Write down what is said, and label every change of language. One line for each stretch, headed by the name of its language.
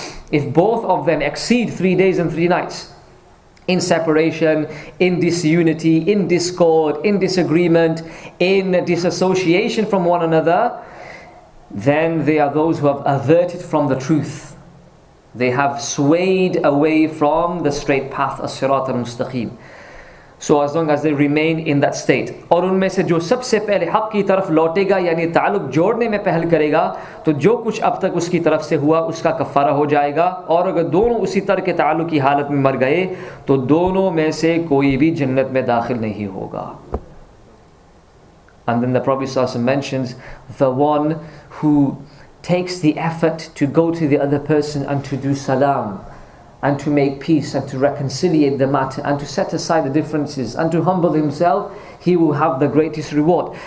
English: If both of them exceed 3 days and 3 nights in separation, in disunity, in discord, in disagreement, in disassociation from one another, then they are those who have averted from the truth. They have swayed away from the straight path, as-sirat al-mustaqim. So as long as they remain in that state.
Urdu: اور ان میں سے جو سب سے پہلے حق کی طرف لوٹے گا یعنی تعلق جوڑنے میں پہل کرے گا تو جو کچھ اب تک اس کی طرف سے ہوا اس کا کفارہ ہو جائے گا, اور اگر دونوں اسی طرح کے تعلق کی حالت میں مر گئے تو دونوں میں سے کوئی بھی جنت میں داخل نہیں ہوگا.
English: And then the Prophet also mentions the one who takes the effort to go to the other person and to do salam, and to make peace, and to reconciliate the matter, and to set aside the differences, and to humble himself, he will have the greatest reward.